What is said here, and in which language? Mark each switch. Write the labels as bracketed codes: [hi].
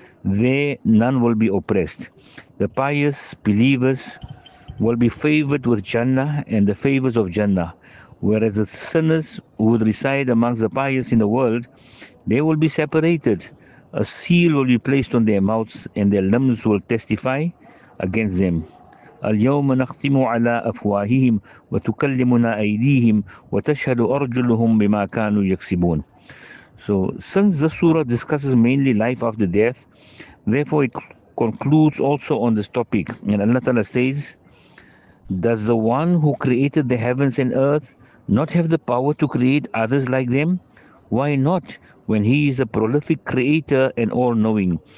[en] There none will be oppressed. The pious believers will be favored with Jannah and the favors of Jannah, whereas the sinners who would reside amongst the pious in the world, they will be separated. A seal will be placed on their mouths and their limbs will testify against them. [ar] اليوم نختم على أفواههم وتكلمنا أيديهم وتشهد أرجلهم بما كانوا يكسبون. [en] So since this surah discusses mainly life after death, therefore it concludes also on this topic. And Allah Ta'ala says, does the one who created the heavens and earth not have the power to create others like them? Why not, when he is a prolific creator and all-knowing?